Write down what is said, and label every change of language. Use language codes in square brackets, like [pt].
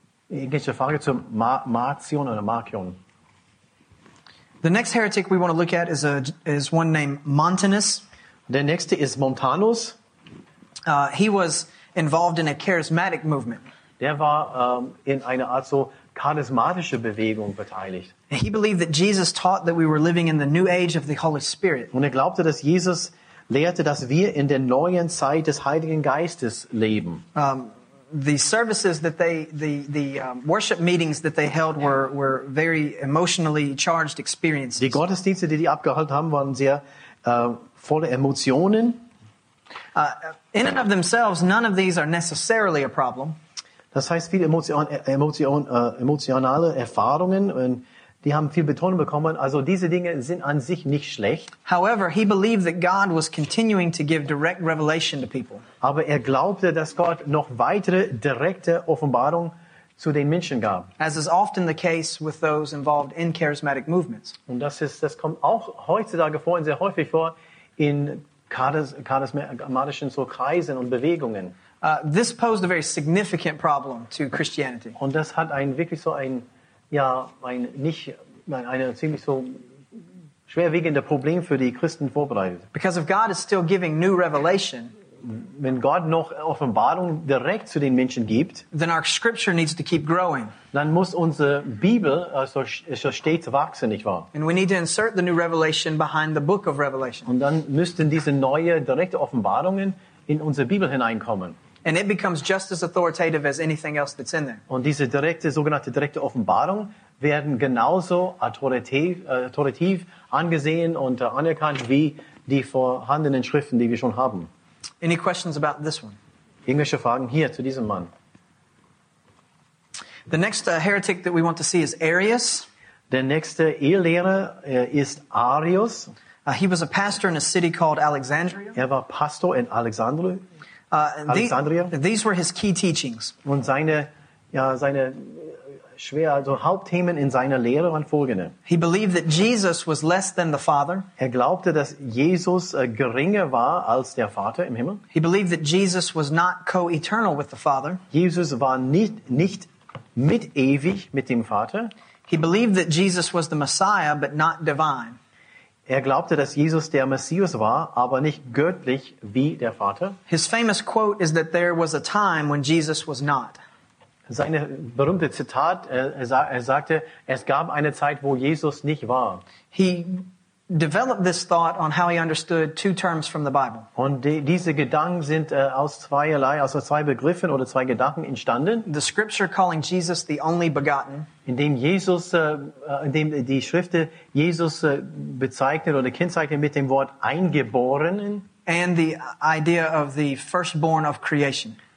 [de] Irgendwelche Frage zu Marcion oder Marcion? [en] The next heretic we want to look at is one named Montanus. [de] Der nächste ist Montanus. [en] He was involved in a charismatic movement. [de] Der war in einer Art so charismatische Bewegung beteiligt. [en] He believed that Jesus taught that we were living in the new age of the Holy Spirit. [de] Und er glaubte, dass Jesus lehrte, dass wir in der neuen Zeit des Heiligen Geistes leben. [en] The services that they, worship meetings that they held were very emotionally charged experiences. [de] Die Gottesdienste, die abgehalten haben, waren sehr voller Emotionen. [en] In and of themselves, none of these are necessarily a problem. [de] Das heißt, viele emotionale Erfahrungen, und die haben viel Betonung bekommen. Also diese Dinge sind an sich nicht schlecht. [en] However, he believed that God was continuing to give direct revelation to people. [de] Aber er glaubte, dass Gott noch weitere direkte Offenbarung zu den Menschen gab. [en] As is often the case with those involved in charismatic movements. [de] Und das kommt auch heutzutage vor, und sehr häufig vor, in charismatischen so Kreisen und Bewegungen. [en] This posed a very significant problem to Christianity. [de] Und das hat ein wirklich so ein ja ein nicht ein ziemlich so schwerwiegendes Problem für die Christen vorbereitet. [en] Because if God is still giving new revelation, [de] wenn Gott noch Offenbarung direkt zu den Menschen gibt, [en] then our scripture needs to keep growing. [de] Dann muss unsere Bibel so stets wachsen, nicht wahr? [en] And we need to insert the new revelation behind the book of Revelation. [de] Und dann müssten diese neue direkte Offenbarungen in unsere Bibel hineinkommen. [en] And it becomes just as authoritative as anything else that's in there. [de] Und diese sogenannte direkte Offenbarung werden genauso autoritativ angesehen und anerkannt wie die vorhandenen Schriften, die wir schon haben. [en] Any questions about this one? [de] Irgendwelche Fragen hier zu diesem Mann? [en] The next heretic that we want to see is Arius. [de] Der nächste Irrlehrer ist Arius. [en] He was a pastor in a city called Alexandria. [de] Er war Pastor in Alexandria. Alexandria. [en] These were his key teachings. [de] Und seine Hauptthemen in seiner Lehre waren folgende. [en] He believed that Jesus was less than the Father. [de] Er glaubte, dass Jesus geringer war als der Vater im Himmel. [en] He believed that Jesus was not co-eternal with the Father. [de] Jesus war nicht mit ewig mit dem Vater. [en] He believed that Jesus was the Messiah, but not divine. [de] Er glaubte, dass Jesus der Messias war, aber nicht göttlich wie der Vater. [en] His famous quote is that there was a time when Jesus was not. [de] Seine berühmte Zitat, er sagte, es gab eine Zeit, wo Jesus nicht war. [en] He developed this thought on how he understood two terms from the Bible. [de] Und diese Gedanken sind aus zwei Begriffen oder zwei Gedanken entstanden. [en] The scripture calling Jesus the only begotten. [de] Indem die Schriften Jesus bezeichnet oder kennzeichnet mit dem Wort Eingeborenen. [en] And the idea of the firstborn of creation.